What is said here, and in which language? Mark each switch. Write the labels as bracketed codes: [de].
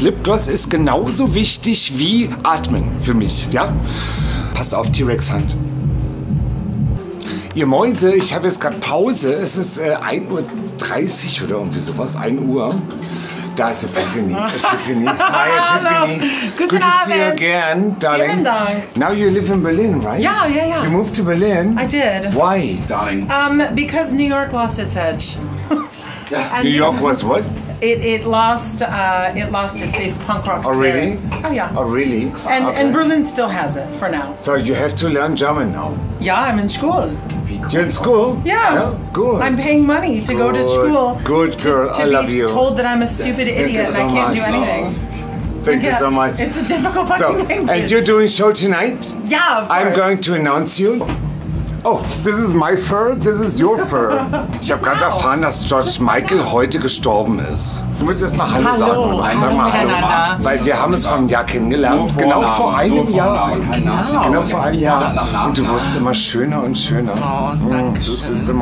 [de] Lipgloss ist genauso wichtig wie Atmen für mich, ja? Passt auf, T-Rex Hand. Ihr Mäuse, ich habe jetzt gerade Pause. Es ist 1.30 Uhr oder irgendwie sowas, 1 Uhr. Da ist Epiphany. Epiphany. Hi, hallo. Guten [en] Good [de] Abend. [en] To see you again, darling. [de] Vielen Dank. [en] Now you live in Berlin, right? Yeah, yeah, yeah. You moved to Berlin? I did. Why, darling? Because New York lost its edge. New York was what? It lost its punk rock spirit. Oh, really? Oh, yeah. Oh, really? And, okay. And Berlin still has it, for now. So you have to learn German now? Yeah, I'm in school. You're in school? Yeah. Good. I'm paying money to good. Go to school. Good girl, to I love you. To be told that I'm a stupid yes. idiot and so I can't Do anything. Thank you so much. It's a difficult fucking so, language. And you're doing show tonight? Yeah, of course. I'm going to announce you. Oh, this is my fur, this is your fur. [de] Ich habe gerade erfahren, dass George Michael heute gestorben ist. Du willst jetzt mal Hallo sagen? Hallo, einfach mal Hallo. Hallo. Weil wir haben es vor einem Jahr kennengelernt. Vor genau vor einem vor Jahr. Genau. Genau vor einem Jahr. Und du wirst immer schöner und schöner. Oh, danke schön.